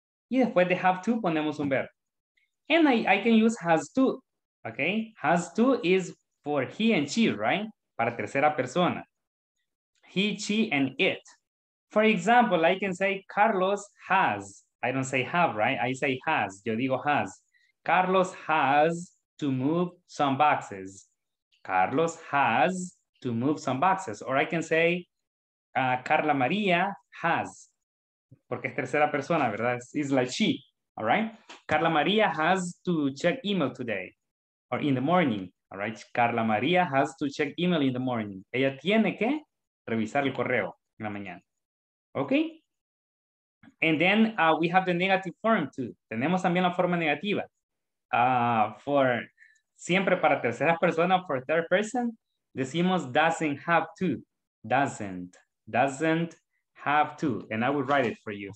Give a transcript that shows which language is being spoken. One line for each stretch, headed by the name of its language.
Spanish: Y después de have to, ponemos un verbo.
English: And I can use has to, okay? Has to is for he and she, right?
Spanish: Para tercera persona. He, she, and it.
English: For example, I can say Carlos has. I don't say have, right? I say has.
Spanish: Yo digo has.
English: Carlos has to move some boxes. Carlos has to move some boxes. Or I can say Carla Maria has.
Spanish: Porque es tercera persona, ¿verdad?
English: It's like she, all right? Carla Maria has to check email today or in the morning, all right? Carla Maria has to check email in the morning.
Spanish: Ella tiene que revisar el correo en la mañana, okay?
English: And then we have the negative form too.
Spanish: Tenemos también la forma negativa. For siempre para tercera persona,
English: for third person,
Spanish: decimos
English: doesn't have to, doesn't have to, and I will write it for you.